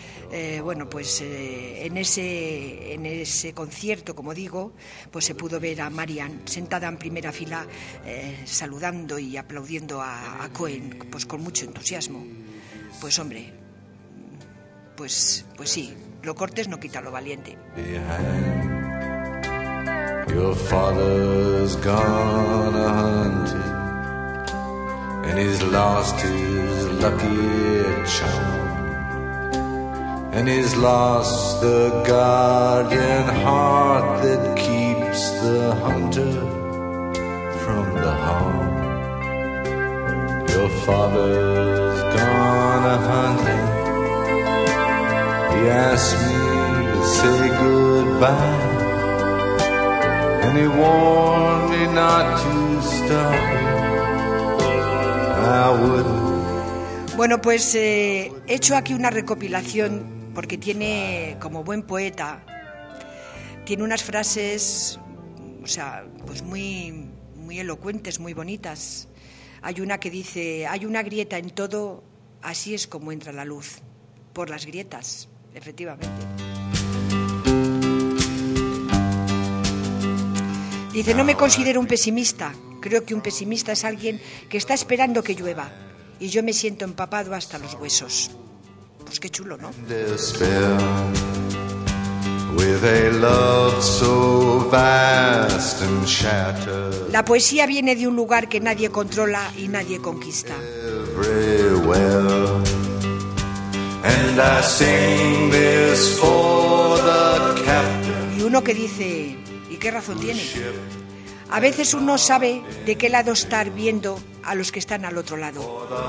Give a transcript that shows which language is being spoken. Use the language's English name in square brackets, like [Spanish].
[Spanish] En ese concierto, como digo, pues se pudo ver a Marian sentada en primera fila, saludando y aplaudiendo a Cohen, pues con mucho entusiasmo. Pues hombre, pues sí, lo cortes no quita lo valiente. [English] Your father's gone a-hunting, and he's lost his lucky charm. And he's lost the guardian heart that keeps the hunter from the harm. Your father's gone a-hunting. He asked me to say goodbye, and he warned me not to stop. I wouldn't. [Spanish] Bueno, pues he hecho aquí una recopilación, porque tiene, como buen poeta, tiene unas frases, o sea, pues muy, muy elocuentes, muy bonitas. Hay una que dice: hay una grieta en todo, así es como entra la luz, por las grietas, efectivamente. Dice: no me considero un pesimista, creo que un pesimista es alguien que está esperando que llueva, y yo me siento empapado hasta los huesos. Pues qué chulo, ¿no? [English] Despair, with a love so vast and shattered. [Spanish] La poesía viene de un lugar que nadie controla y nadie conquista. [English] And I sing this for the captain. [Spanish] Y uno que dice, ¿y qué razón tiene? A veces uno sabe de qué lado estar viendo a los que están al otro lado.